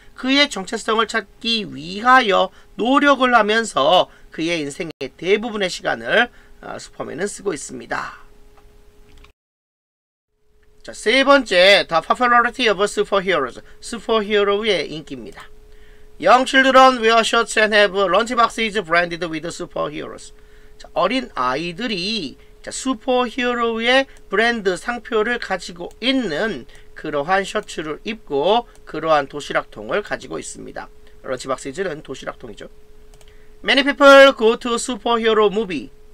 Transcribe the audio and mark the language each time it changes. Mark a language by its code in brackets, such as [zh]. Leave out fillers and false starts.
[ko] 그의 정체성을 찾기 위하여 노력을 하면서 그의 인생의 대부분의 시간을 슈퍼맨은 쓰고 있습니다. [en] 자, [ko] 세 번째, [en] The popularity of superheroes. [ko] 슈퍼히어로의 인기입니다. [en] Young children wear shirts and have lunchboxes branded with superheroes. [ko] 자, 어린 아이들이 자, 슈퍼히어로의 브랜드 상표를 가지고 있는 그러한 셔츠를 입고 그러한 도시락통을 가지고 있습니다. 런치박스즈는 도시락통이죠. [en] Many people go to superhero movie.